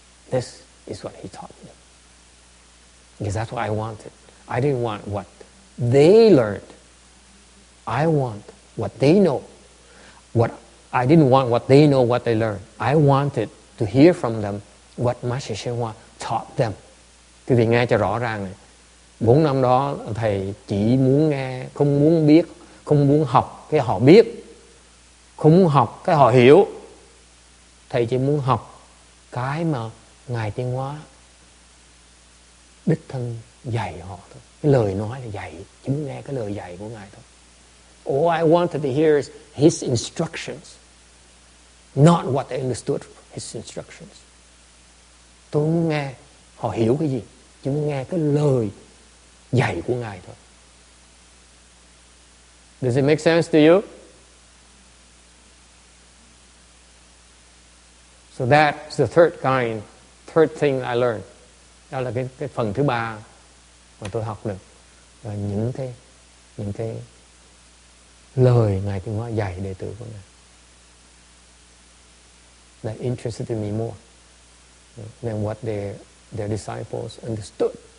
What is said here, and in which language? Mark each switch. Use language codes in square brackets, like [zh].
[en] This is what he taught me. Because that's what I wanted. I didn't want what they learned. I want what they know. I didn't want what they know, what they learned. I wanted to hear from them what Master Shenhua taught them. [vi] Quý vị nghe cho rõ ràng này. 4 năm đó thầy chỉ muốn nghe, không muốn biết, không muốn học cái họ biết, không muốn học cái họ hiểu. Thầy chỉ muốn học cái mà Ngài Tiên Hóa đích thân dạy họ thôi. Cái lời nói là dạy, chỉ muốn nghe cái lời dạy của Ngài thôi. [en] All I wanted to hear is his instructions, not what they understood his instructions. [vi] Tôi muốn nghe họ hiểu cái gì, chỉ muốn nghe cái lời dạy của Ngài thôi. [en] Does it make sense to you? So that's the third thing I learned. [vi] Đó là cái phần thứ ba mà tôi học được. Và những cái lời Ngài Tiên Hóa dạy đệ tử của Ngài. [en] That interested me more than what their disciples understood.